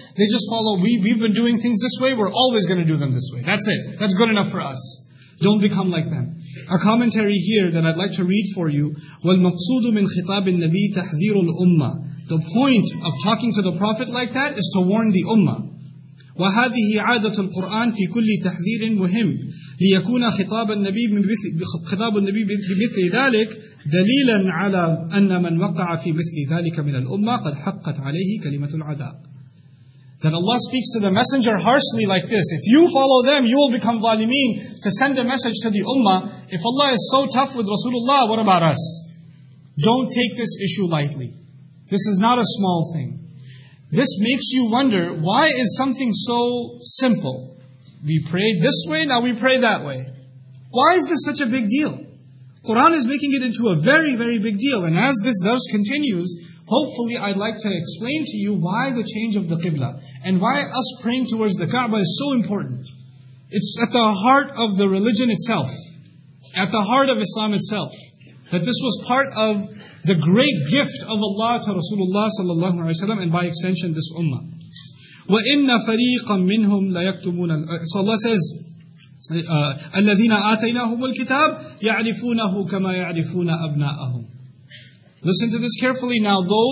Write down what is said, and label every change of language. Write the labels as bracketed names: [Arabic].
[English] They just follow, we've been doing things this way, we're always going to do them this way. That's it. That's good enough for us. Don't become like them. A commentary here that I'd like to read for you. [Arabic] وَالْمَقْصُودُ مِنْ خِطَابِ النَّبِيِّ تَحْذِيرُ الْأُمَّةِ [English] The point of talking to the Prophet like that is to warn the Ummah. [Arabic] وَهَذِهِ عَادَةُ الْقُرْآنِ فِي كُلِّ تَحْذِيرٍ مُهِمٍ لِيَكُونَ خِطَابَ النَّبِي بِمِثْلِ ذَلِكَ دَلِيلًا عَلَى أَنَّ مَنْ وَقَعَ فِي مِثْلِ ذَلِكَ مِنَ الْأُمَّةِ قَدْ حَقَّتْ عَلَيْهِ كَلِمَةُ الْعَذَابِ [English] That Allah speaks to the messenger harshly like this. If you follow them, you will become zalimeen to send a message to the Ummah. If Allah is so tough with Rasulullah, what about us? Don't take this issue lightly. This is not a small thing. This makes you wonder, why is something so simple? We prayed this way, now we pray that way. Why is this such a big deal? Quran is making it into a very, very big deal. And as this verse continues, hopefully I'd like to explain to you why the change of the Qibla and why us praying towards the Kaaba is so important. It's at the heart of the religion itself, at the heart of Islam itself, that this was part of the great gift of Allah to Rasulullah sallallahu alaihi wasallam, and by extension this ummah. [Arabic] وَإِنَّ فَرِيقًا مِّنْهُمْ لَيَكْتُمُونَ [English] So Allah says, [Arabic] الَّذِينَ آتَيْنَاهُمُ الْكِتَابِ يَعْرِفُونَهُ كَمَا يَعْرِفُونَ أَبْنَاءَهُمْ [English] Listen to this carefully now.